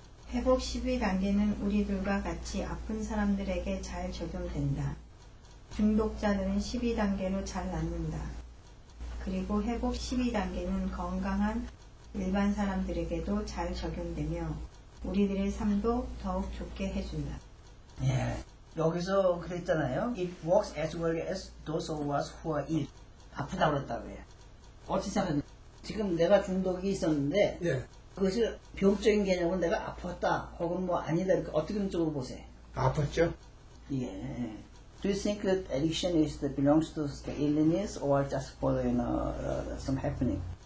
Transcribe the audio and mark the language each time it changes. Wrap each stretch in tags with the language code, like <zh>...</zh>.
<ko>회복 12단계는 우리들과 같이 아픈 사람들에게 잘 적용된다. 중독자들은 12단계로 잘 낫는다. 그리고 회복 12단계는 건강한 일반 사람들에게도 잘 적용되며 우리들의 삶도 더욱 좋게 해준다. 예, 여기서 그랬잖아요.</ko> <en>It works as well as those of us who are ill.</en> <ko>아프다고 했다고 해요. 어떻게 생각하세요? 지금 내가 중독이 있었는데 예. 그것이 병적인 개념은 내가 아팠다 혹은 뭐 아니다 이렇게 어떻게 된 쪽으로 보세요? 아팠죠. 예.</ko> <en>Do you think that addiction is that belongs to the illness or just for you know, some happening?</en>